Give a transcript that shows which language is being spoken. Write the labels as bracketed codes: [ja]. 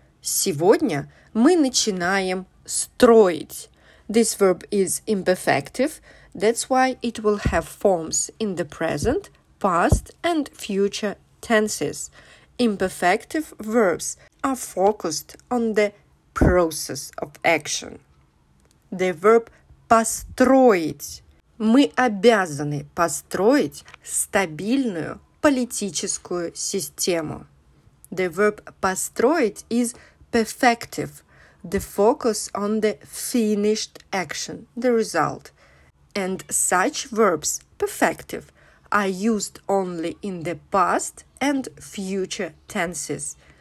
[ru] Сегодня мы начинаем строить. [en] This verb is imperfective, that's why it will have forms in the present, past, and future tenses. Imperfective verbs are focused on the process of action. The verb построить. [ru] Мы обязаны построить стабильную политическую систему. [en] The verb построить is perfective, the focus on the finished action, the result. And such verbs, perfective, are used only in the past and future tenses.